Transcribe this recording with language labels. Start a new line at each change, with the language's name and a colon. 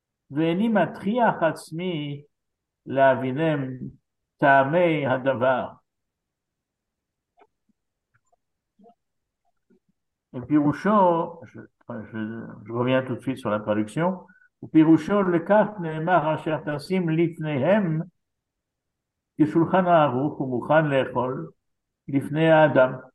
Hebrew: ואיני מטריח עצמי להבינם טעמי הדבר. ופירושו,
French: je reviens tout de suite sur la traduction.
Hebrew: ופירושו לכך נאמר אשר תשים לפניהם כשולחן ערוך ומוכן לאכול לפני האדם.